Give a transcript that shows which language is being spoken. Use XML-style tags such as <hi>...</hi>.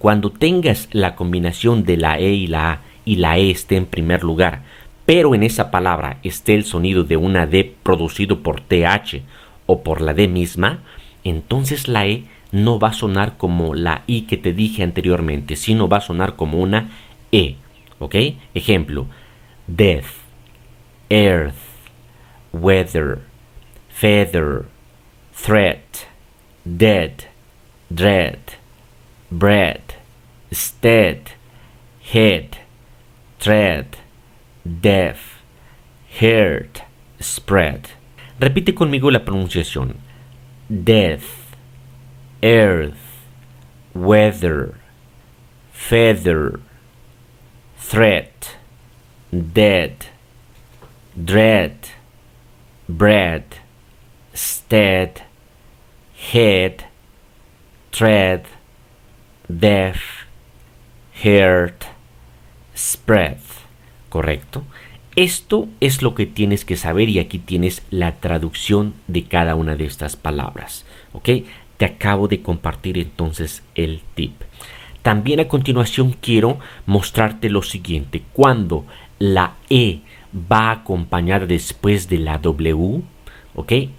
<es>Cuando tengas la combinación de la E y la A y la E esté en primer lugar, pero en esa palabra esté el sonido de una D producido por TH o por la D misma, entonces la E no va a sonar como la I que te dije anteriormente, sino va a sonar como una E. ¿Ok? Ejemplo:</es> <en>death, earth, weather, feather, threat, dead, dread, bread, stead, head, thread, death, heard, spread.</en> <es>Repite conmigo la pronunciación:</es> <en>death, earth, weather, feather, threat, dead, dread, bread, stead, Head, tread, death, heard, spread.</en> <es>¿Correcto? Esto es lo que tienes que saber y aquí tienes la traducción de cada una de estas palabras. ¿Ok? Te acabo de compartir entonces el tip. También a continuación quiero mostrarte lo siguiente. Cuando la E va acompañada después de la W, ¿ok?</es>